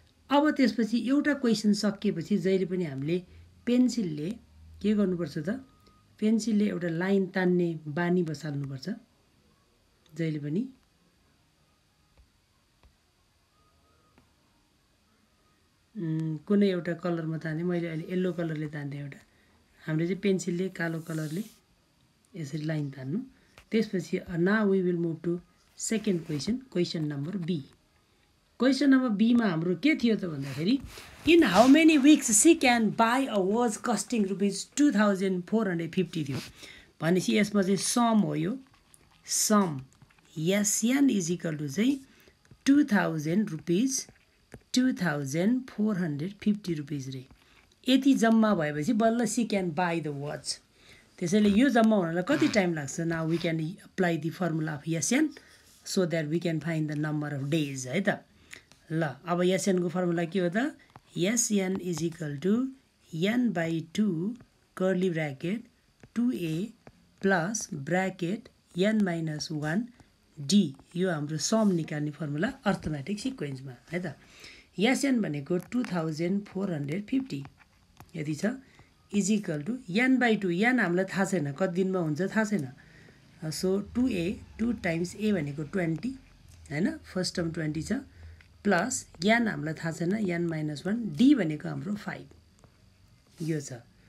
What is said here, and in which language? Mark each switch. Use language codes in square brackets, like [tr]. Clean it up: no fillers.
[ne] अब त्यसपछि एउटा क्वेसन सकिएपछि जहिले पनि हामीले पेन्सिलले के गर्नुपर्छ त पेन्सिलले एउटा लाइन तान्ने बानी बसाल्नुपर्छ जहिले पनि। कुनै एउटा कलरमा तान्ने मैले अहिले येल्लो कलरले तान्ने एउटा हामीले चाहिँ पेन्सिलले कालो कलरले यसरी लाइन तान्नु। [en] त्यसपछि now we will move to second question question number B. [ne] Question number बीमा हाम्रो के थियो त भन्दाखेरि [en] in how many weeks C can buy a watch costing rupees 2450 [ne] थियो भनेपछि यसमा चाहिँ सम हो यो some SN is equal to चाहिँ 2450 rupees रे यति जम्मा भएपछि बल्ल [en] C can buy the watch. [ne] त्यसैले यो जम्मा हुनलाई कति टाइम लाग्छ [en] now we can apply the formula of SN so that we can find the number of days [ne] है त। ल अब एसएनको फर्मुला के हो त [en] SN is equal to N by two curly bracket 2a plus bracket N minus 1 D. [ne] यो हाम्रो some निकाल्ने फर्मुला अर्थमेटिक सिक्वेन्समा है त एसएन भनेको 2450 यदि छ is equal to an by two an हामीलाई थाहा छैन कति दिनमा हुन्छ थाहा छैन सो 2a 2 टाइम्स ए भनेको 20 होइन फर्स्ट टर्म 20 छ प्लस एन हामीलाई थाहा छैन एन माइनस 1 डी भनेको हाम्रो 5 यो छ।